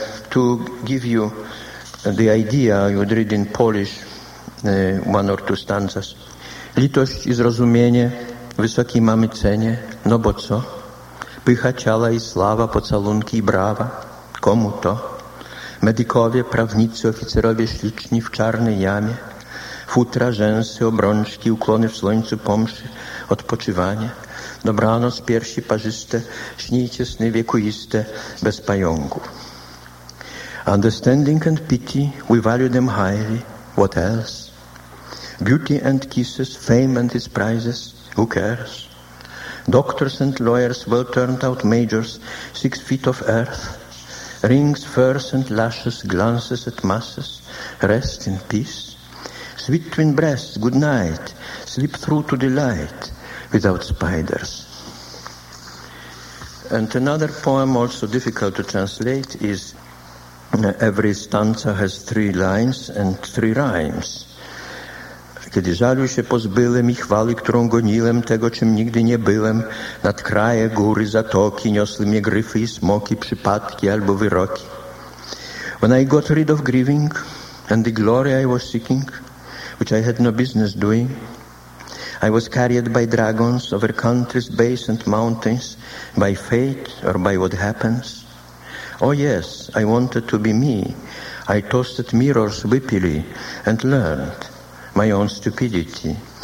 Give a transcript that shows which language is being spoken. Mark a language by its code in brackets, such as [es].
[en] To give you the idea, I would read in Polish one or two stanzas. [pl] Litość i zrozumienie wysokiej mamy cenie, no bo co? Pycha ciała i sława, pocałunki i brawa, komu to? Medykowie, prawnicy, oficerowie śliczni w czarnej jamie, futra, rzęsy, obrączki, ukłony w słońcu pomszy, odpoczywanie, dobranoc, piersi parzyste, śnijcie sny wiekuiste, bez pająków. [en] Understanding and pity, we value them highly, what else? Beauty and kisses, fame and its prizes, who cares? Doctors and lawyers, well turned out majors, 6 feet of earth, rings, furs and lashes, glances at masses, rest in peace. Sweet twin breasts, good night, sleep through to the light, without spiders. And another poem, also difficult to translate, is every stanza has 3 lines and 3 rhymes. [pl] Kiedy żalu się pozbyłem i chwały, którą goniłem, tego, czym nigdy nie byłem, nad kraje, góry, zatoki, niosły mnie gryfy i smoki, przypadki albo wyroki. [en] When I got rid of grieving and the glory I was seeking, which I had no business doing, I was carried by dragons over countries, bays and mountains, by fate or by what happens. Oh yes, I wanted to be me. I tossed at mirrors whippily and learned my own stupidity.